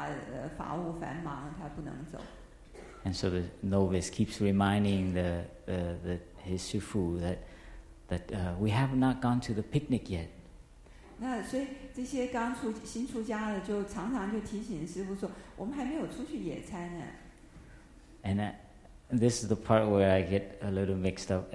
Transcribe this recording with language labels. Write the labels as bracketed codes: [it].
[zh] 那师父做师父的这个人呢，他就很忙啊，因为正在带道场啊，法务繁忙，他不能走。 [en] And so the novice keeps reminding the his sufu that. That we have not gone to the picnic yet. [zh] 那所以这些刚出新出家的就常常就提醒师父说，我们还没有出去野餐呢。 [en] And this is the part where I get a little mixed up.